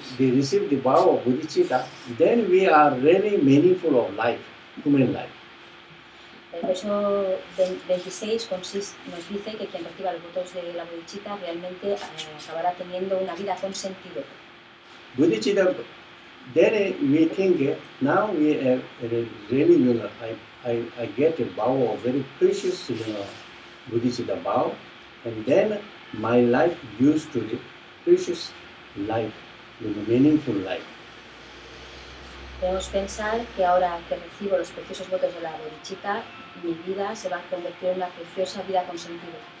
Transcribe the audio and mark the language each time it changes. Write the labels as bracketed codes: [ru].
[en] receive the vow of bodhicitta, then we are really meaningful of life. human life. [es] El verso 26 nos dice que quien reciba los votos de la bodhicitta realmente acabará teniendo una vida con sentido. [en] Bodhicitta, then we think now we have really, you know, I get a vow, a very precious, you know, bodhicitta vow, and then my life used to be precious life, you know, meaningful life. [es] Debemos pensar que ahora que recibo los preciosos votos de la bodhicitta, mi vida se va a convertir en una preciosa vida con sentido.